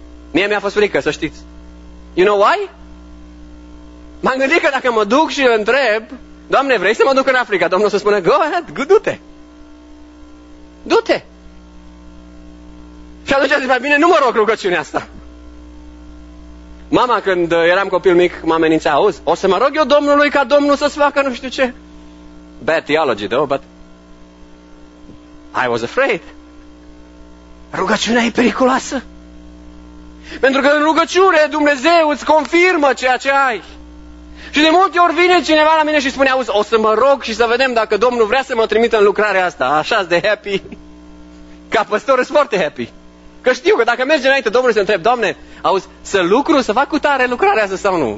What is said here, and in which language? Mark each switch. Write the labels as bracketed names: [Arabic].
[Romanian] Mie mi-a fost frică, să știți. [English] You know why? [Romanian] M-am gândit că dacă mă duc și îl întreb: Doamne, vrei să mă duc în Africa? Domnul o să spună: [English] go ahead, [Romanian] du-te. Du-te. Și atunci a zis: mai bine nu mă rog rugăciunea asta. Mama, când eram copil mic, mă amenința: auzi, o să mă rog eu Domnului ca Domnul să-ți facă nu știu ce. [English] Bad theology, though, but I was afraid. [Romanian] Rugăciunea e periculoasă. Pentru că în rugăciune Dumnezeu îți confirmă ceea ce ai. Și de multe ori vine cineva la mine și spune, auzi, o să mă rog și să vedem dacă Domnul vrea să mă trimită în lucrarea asta. Așa de happy. Ca păstor sunt foarte happy. Că știu că dacă merge înainte, Domnul se întreb, Doamne, auzi, să lucru, să fac cu tare lucrarea asta sau nu?